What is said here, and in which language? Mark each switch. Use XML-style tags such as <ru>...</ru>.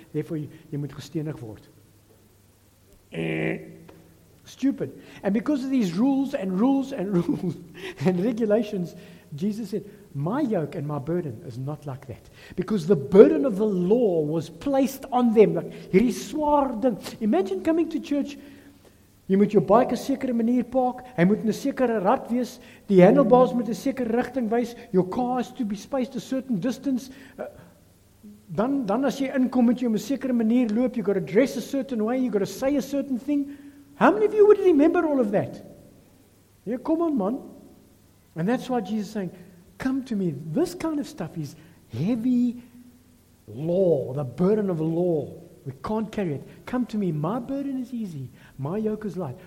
<af>Therefore, you moet gestenig word. Stupid.</af> <en>And because of these rules and regulations, Jesus said, my yoke and my burden is not like that. Because the burden of the law was placed on them. Like,</en> <af>hierdie swaar ding.</af> <en>Imagine coming to church.</en> <af>Jy moet jou bike 'n sekere manier park. Hy moet in 'n sekere rad wees. Die handlebars moet 'n sekere rigting wys.</af> <en>Your car has to be spaced a certain distance.</en> <af>Dan as jy inkom, moet jy op 'n sekere manier loop.</af> <en>You got to dress a certain way. You got to say a certain thing. How many of you would remember all of that? Yeah, come on, man. And that's why Jesus is saying, come to me. This kind of stuff is heavy law, the burden of law. We can't carry it. Come to me. My burden is easy. My yoke is light.</en>